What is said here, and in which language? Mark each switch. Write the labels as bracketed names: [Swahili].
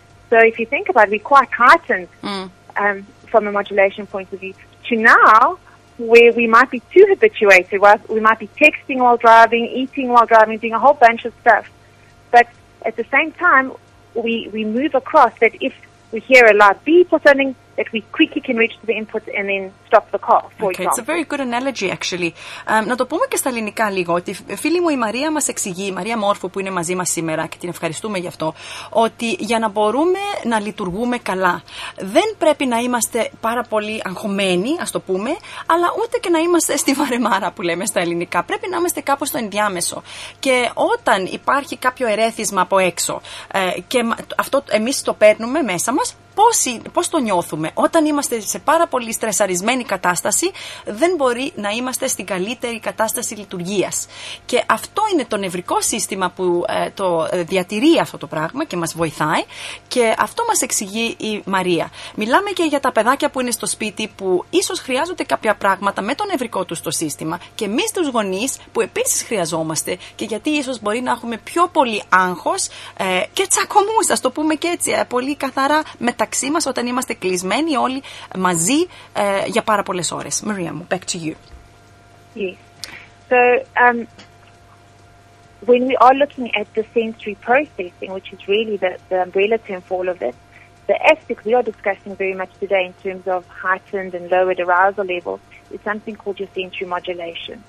[English] So if you think about it, we're quite heightened from a modulation point of view to now where we might be too habituated. We might be texting while driving, eating while driving, doing a whole bunch of stuff. But at the same time, we move across that if we hear a loud beep or something, that we quickly can register the input and then stop the car, for example. It's a very good analogy, actually. [Greek] Να το πούμε και στα ελληνικά λίγο, ότι φίλη μου η Μαρία μας εξηγεί, η Μαρία Μόρφου που είναι μαζί μας σήμερα και την ευχαριστούμε γι' αυτό, ότι για να μπορούμε να λειτουργούμε καλά, δεν πρέπει να είμαστε πάρα πολύ αγχωμένοι, ας το πούμε, αλλά ούτε και να είμαστε στη βαρεμάρα που λέμε στα ελληνικά. Πρέπει να είμαστε κάπως στο ενδιάμεσο. Και όταν υπάρχει κάποιο ερέθισμα από έξω και αυτό εμείς το παίρνουμε μέσα μας, πώς το νιώθουμε? Όταν είμαστε σε πάρα πολύ στρεσαρισμένη κατάσταση, δεν μπορεί να είμαστε στην καλύτερη κατάσταση λειτουργίας. Και αυτό είναι το νευρικό σύστημα που το διατηρεί αυτό το πράγμα και μας βοηθάει. Και αυτό μας εξηγεί η Μαρία. Μιλάμε και για τα παιδάκια που είναι στο σπίτι, που ίσως χρειάζονται κάποια πράγματα με το νευρικό τους στο σύστημα, και εμείς τους γονείς που επίσης χρειαζόμαστε, και γιατί ίσως μπορεί να έχουμε πιο πολύ άγχος και τσακωμούς, ας το πούμε και έτσι, πολύ καθαρά μεταξύ μας, όταν είμαστε κλεισμένοι όλοι μαζί για πάρα πολλές ώρες. [English] Maria, back to you. Yes. So, when we are looking at the sensory processing, which is really the umbrella term for all of this, the aspect we are discussing very much today in terms of heightened and lowered arousal levels is something called your sensory modulation.